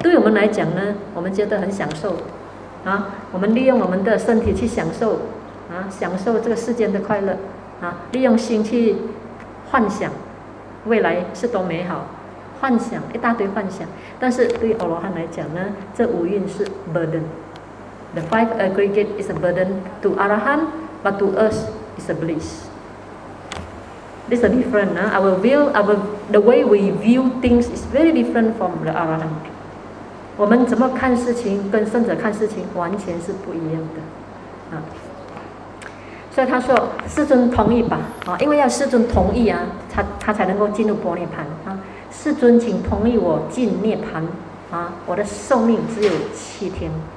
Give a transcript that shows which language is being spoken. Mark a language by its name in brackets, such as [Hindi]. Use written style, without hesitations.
[Chinese] 对我们来讲呢，我们觉得很享受啊，我们利用我们的身体去享受啊，享受这个世间的快乐啊，利用心去幻想未来是多美好，幻想一大堆幻想，但是对阿罗汉来讲呢，这五蕴是 burden。 [English] The five aggregate is a burden to Arahant, but to us is a bliss. This is different. The way we view things is very different from the Arahant. [Chinese] 我们怎么看事情，跟圣者看事情完全是不一样的。啊，所以他说，世尊同意吧，啊，因为要世尊同意啊，他才能够进入波涅槃啊。世尊请同意我进涅槃啊，我的寿命只有七天。